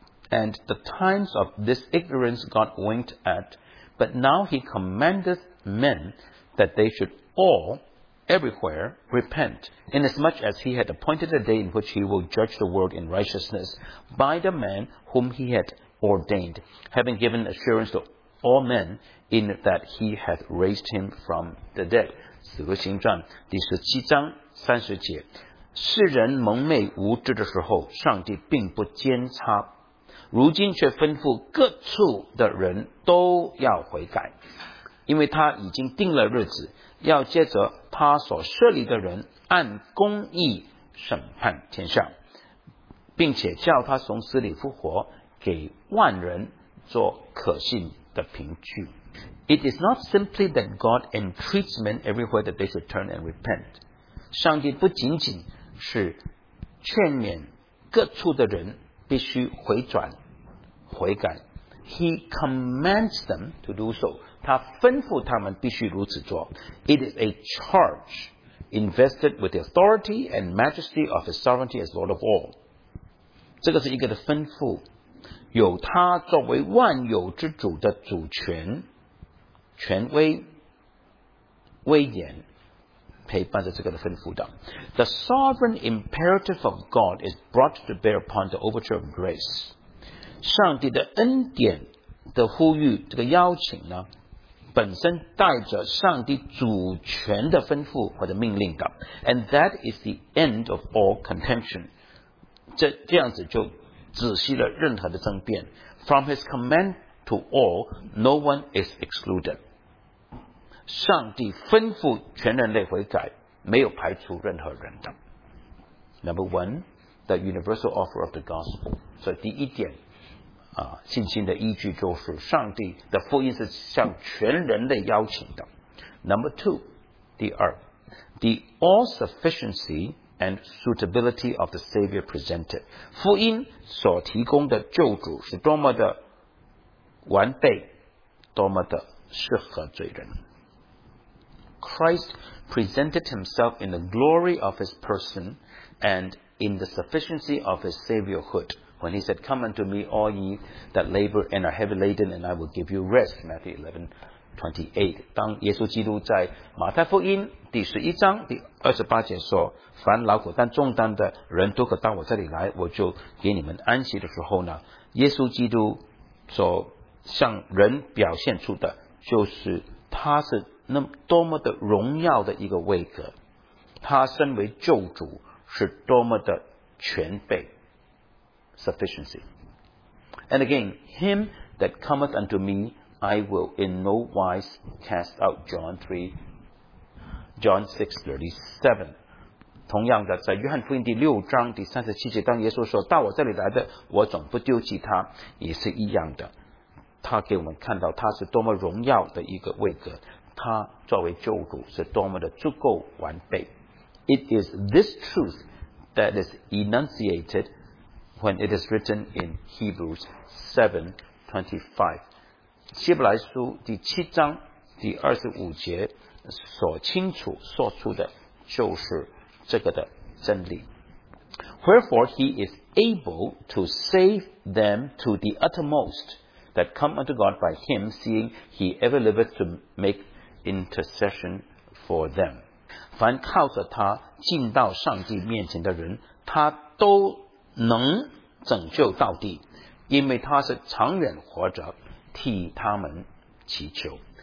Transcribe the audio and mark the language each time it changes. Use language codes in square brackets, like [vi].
[en] And the times of this ignorance God winked at, but now He commandeth men that they should all everywhere repent, inasmuch as he had appointed a day in which he will judge the world in righteousness by the man whom he had ordained, having given assurance to all men in that he hath raised him from the dead. [zh] 使徒行传第十七章三十节，世人蒙昧无知的时候，上帝并不监察，如今却吩咐各处的人都要悔改，因为他已经定了日子，要接着他所设立的人按公义审判天下，并且叫他从死里复活，给万人做可信的凭据。 [en] It is not simply that God entreats men everywhere that they should turn and repent. [zh] 上帝不仅仅是劝勉各处的人必须回转、悔改。 [en] He commands them to do so. [zh] 他吩咐他们必须如此做。 [en] It is a charge invested with the authority and majesty of his sovereignty as Lord of all. [zh] 这个是一个的吩咐，有他作为万有之主的主权、权威、威严陪伴着这个的吩咐的。 [en] The sovereign imperative of God is brought to bear upon the overture of grace. [zh] 上帝的恩典的呼吁，这个邀请呢，本身带着上帝主权的吩咐或者命令的。 [en] And that is the end of all contention. [zh] 这样子就止息了任何的争辩。 [en] From his command to all, no one is excluded. [zh] 上帝吩咐全人类悔改，没有排除任何人的。 [en] Number one, the universal offer of the gospel. [zh] 所以第一点，信心的依据就是上帝的福音是向全人类邀请的。 [en] Number two, [zh] 第二， [en] the all sufficiency and suitability of the Savior presented. [zh] 福音所提供的救主是多么的完备，多么的适合罪人。 [en] Christ presented himself in the glory of his person and in the sufficiency of his saviorhood when he said, Come unto me, all ye that labor and are heavy laden, and I will give you rest. Matthew 11:28. [zh] 当耶稣基督在马太福音第十一章第二十八节说，凡劳苦担重担的人都可到我这里来，我就给你们安息的时候呢，耶稣基督说向人表现出的就是他是那多么的荣耀的一个位格，他身为救主是多么的全备 sufficiency. [en] And again, him that cometh unto me, I will in no wise cast out. John 6:37. [zh] 同样的，在约翰福音第六章第三十七节，当耶稣说到我这里来的，我总不丢弃他，也是一样的。他给我们看到他是多么荣耀的一个位格，他作为救主是多么的足够完备。 [en] It is this truth that is enunciated when it is written in Hebrews 7:25. [zh] 希伯来书第七章第二十五节所清楚说出的就是这个的真理。 [en] Wherefore he is able to save them to the uttermost. That come unto God by him, seeing he ever liveth to make intercession for them. [zh] 凡靠着他进到上帝面前的人，他都能拯救到底，因为他是长远活着替他们祈求。